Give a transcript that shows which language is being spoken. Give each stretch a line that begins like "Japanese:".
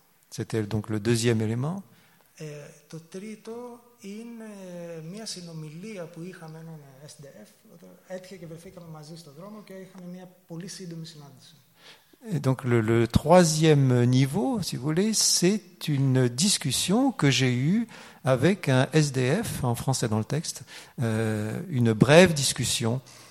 French: C'était donc le deuxième élément.
Greek: Το τρίτο είναι μια συνομιλία που είχαμε έναν SDF, έτυχε και βρεθήκαμε μαζί στον δρόμο και είχαμε μια πολύ σύντομη συνάντηση.
French: Et donc le troisième niveau, si vous voulez, c'est une discussion que j'ai eue avec un SDF, en français dans le texte, une brève discussion.